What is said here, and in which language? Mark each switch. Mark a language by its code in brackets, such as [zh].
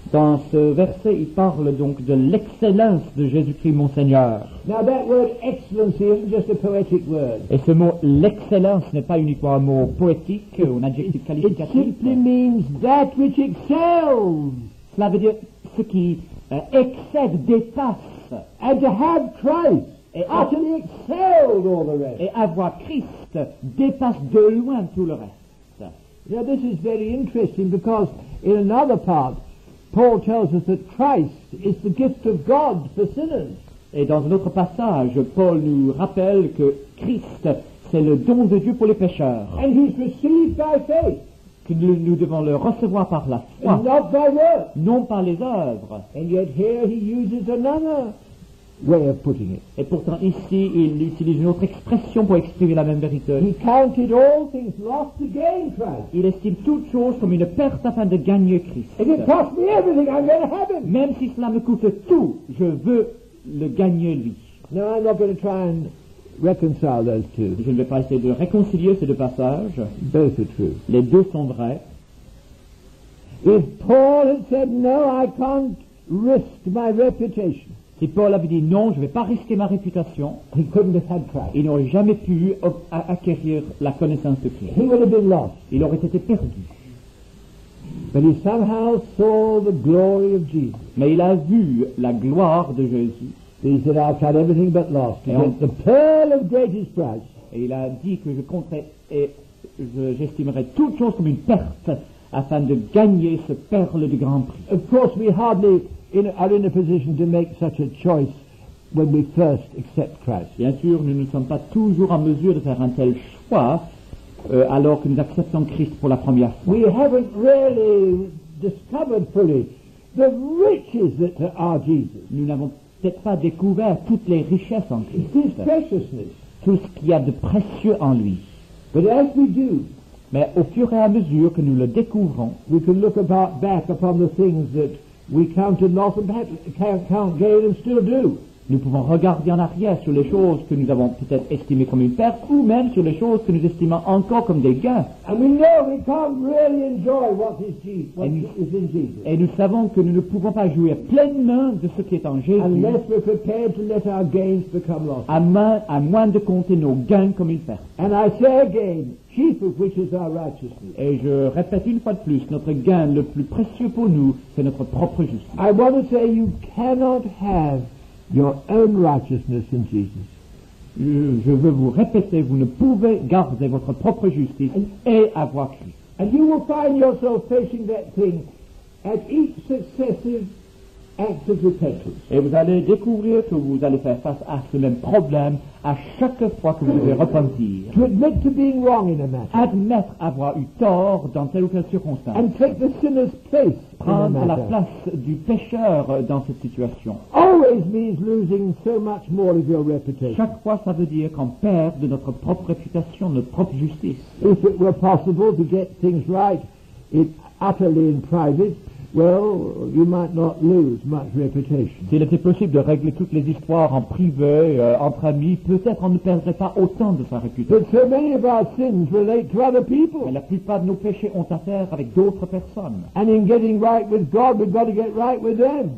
[fr] Dans ce verset, il parle donc de l'excellence de Jésus-Christ, mon Seigneur. [en] Now that word excellency isn't just a poetic word. [fr] Et ce mot l'excellence n'est pas uniquement un mot poétique ou un adjectif qualificatif. [en] It simply means that which excels. [fr] Cela veut dire ce qui excède, dépasse. [en] And to have Christ. [fr] Et [en] utterly excelled all the rest. [fr] Et avoir Christ dépasse de loin tout le reste. [en] Now this is very interesting because in another part Paul tells us that Christ is the gift of God for sinners. [fr] Et dans un autre passage, Paul nous rappelle que Christ c'est le don de Dieu pour les pécheurs. [en] And he's received by faith. [fr] Que nous devons le recevoir par la foi. [en] And not by works. [fr] Non par les œuvres. [en] And yet here he uses another way of putting it. [fr] Et pourtant ici, il utilise une autre expression pour exprimer la même vérité. [en] He counted all things lost to gain Christ. [fr] Il estime toute chose comme une perte afin de gagner Christ. [en] If it costs me everything, I'm going to heaven. [fr] Même si cela me coûte tout, je veux le gagner lui. [en] Now I'm not going to try and reconcile those two. [fr] Je ne vais pas essayer de réconcilier ces deux passages. [en] Both are true. [fr] Les deux sont vrais. [en] If Paul had said no, I can't risk my reputation. [fr] Si Paul avait dit non, je ne vais pas risquer ma réputation, [en] he couldn't have had Christ. [fr] Il n'aurait jamais pu acquérir la connaissance de Christ. [en] He would have been lost. [fr] Il aurait été perdu. [en] But he somehow saw the glory of Jesus. [fr] Mais il a vu la gloire de Jésus. [en] He said, I've had everything but lost. He the pearl of greatest price. [fr] Et il a dit que je compterais et j'estimerais toute chose comme une perte afin de gagner ce perle de grand prix. [en] Of course, we hardly are in a position to make such a choice when we first accept Christ. [fr] Bien sûr, nous ne sommes pas toujours en mesure de faire un tel choix alors que nous acceptons Christ pour la première fois. [en] We haven't really discovered fully the riches that are Jesus. [fr] Nous n'avons peut-être pas découvert toutes les richesses en Christ. [en] His preciousness. [fr] Tout ce qu'il y a de précieux en lui. [en] But as we do, [fr] mais au fur et à mesure que nous le découvrons, [en] we can look about back upon the things that we counted loss and perhaps count gain and still do. [fr] Nous pouvons regarder en arrière sur les choses que nous avons peut-être estimées comme une perte, ou même sur les choses que nous estimons encore comme des gains. [en] And we know we can't really enjoy what is Jesus, what is in Jesus. [fr] Et nous savons que nous ne pouvons pas jouir pleinement de ce qui est en Jésus. [en] Unless we're prepared to let our gains become loss. [fr] À moins de compter nos gains comme une perte. [en] And I say again, chief of which is our righteousness. [fr] Et je répète une fois de plus, notre gain le plus précieux pour nous, c'est notre propre justice. [en] I want to say you cannot have your own righteousness in Jesus. [fr] Je veux vous répéter, vous ne pouvez garder votre propre justice et avoir Christ. [en] And you will find yourself facing that thing at each successive act of repentance. [fr] Et vous allez découvrir que vous allez faire face à ce même problème à chaque fois que vous devez repentir. [en] To admit to being wrong in a matter. [fr] Admettre avoir eu tort dans telle ou telle circonstance. [en] And take the sinner's place. [fr] Prendre [en] in [fr] la place du pécheur dans cette situation. [en] Always means losing so much more of your reputation. [fr] Chaque fois, ça veut dire qu'on perd de notre propre réputation, de notre propre justice. [en] If it were possible to get things right, it utterly in private. Well, you might not lose much reputation. [fr] S'il était possible de régler toutes les histoires en privé, entre amis, peut-être on ne perdrait pas autant de sa réputation. [en] But so many of our sins relate to other people. [fr] Mais la plupart de nos péchés ont affaire avec d'autres personnes. [en] And in getting right with God, we've got to get right with them.